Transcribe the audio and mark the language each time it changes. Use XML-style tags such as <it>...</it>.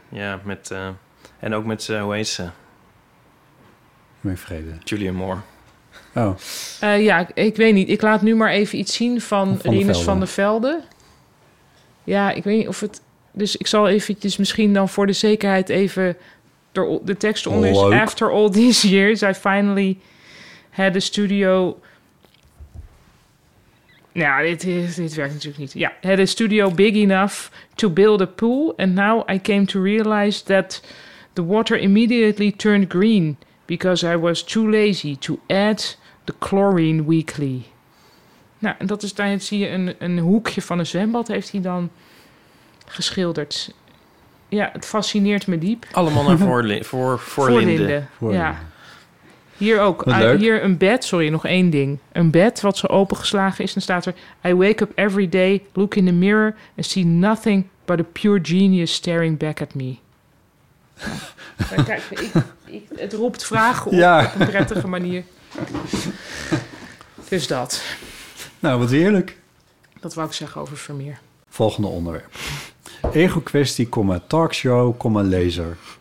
<nl>Ja, met en ook met, hoe heet ze? Mijn vrede. Julian Moore. Oh. Ja, ik weet niet. Ik laat nu maar even iets zien van Rinus van der Velde. Ja, ik weet niet of het... Dus ik zal eventjes misschien dan voor de zekerheid even... De tekst onder is...</nl> <en>After all these years, I finally had a studio...</en> <nl>Nou, dit werkt natuurlijk niet. Ja,</nl> <en>had a studio big enough to build a pool. And now I came to realize that the water immediately turned green. Because I was too lazy to add... The Chlorine Weekly.</en> <nl>Nou, en dat is daar zie je een hoekje van een zwembad heeft hij dan geschilderd. Ja, het fascineert me diep. Allemaal naar voor Linde. Ja. Hier ook. Hier een bed. Sorry, nog één ding. Een bed wat zo opengeslagen is. En staat er...</nl> <en>I wake up every day, look in the mirror and see nothing but a pure genius staring back at me.</en> <nl>Nou, kijk, het roept vragen op een prettige manier. Dus dat. Nou, wat heerlijk. Dat wou ik zeggen over Vermeer. Volgende onderwerp. Ego-kwestie, talkshow, lezer.</nl>